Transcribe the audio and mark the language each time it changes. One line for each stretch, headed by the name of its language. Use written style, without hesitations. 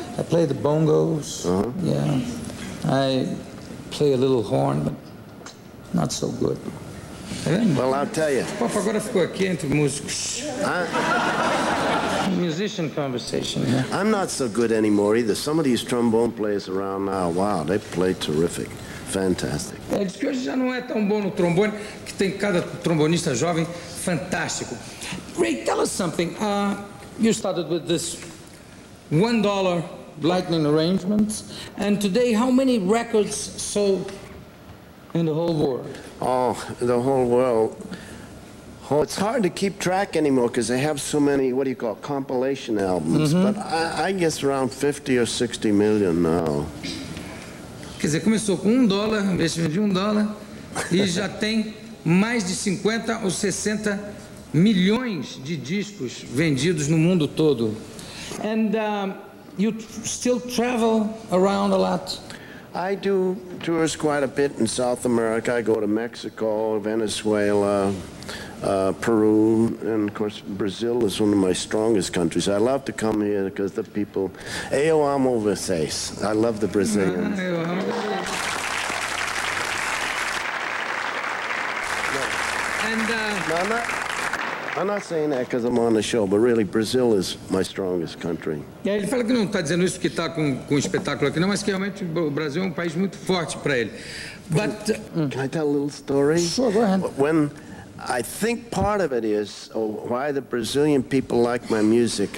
English: I play the bongos, yeah. I play a little horn, but not so good. Well, I'll tell you.
Portuguese: Papa agora ficou aqui entre músicos.
English: Musician conversation, yeah. I'm not so good anymore either. Some of these trombone players around now, wow, they play terrific, fantastic.
Portuguese: É, diz que hoje já não é tão bom no trombone, que tem cada trombonista jovem fantástico.
English: Ray, tell us something. You started with this $1 lightning arrangements, and today how many records sold in the whole world? Oh, the whole world. Oh, it's hard to keep track anymore because they have so many, what do you call it, compilation albums. Mm-hmm. But I guess around 50 or 60 million now.
Portuguese: Quer dizer, começou com $1, investimento de $1, e já tem mais de 50 ou 60 milhões de discos vendidos no mundo todo.
English: And you still travel around a lot? I do tours quite a bit in South America. I go to Mexico, Venezuela, Peru, and of course Brazil is one of my strongest countries. I love to come here because the people, eu amo vocês. I love the Brazilians. And Mama? I'm not saying that because I'm on the show, but really, Brazil is my strongest country.
Portuguese: Yeah, ele fala que não está dizendo isso porque está com um espetáculo aqui, não, mas que realmente o Brasil é um país muito forte para ele.
English: But can I tell a little story? Sure, go ahead. When I think part of it is why the Brazilian people like my music.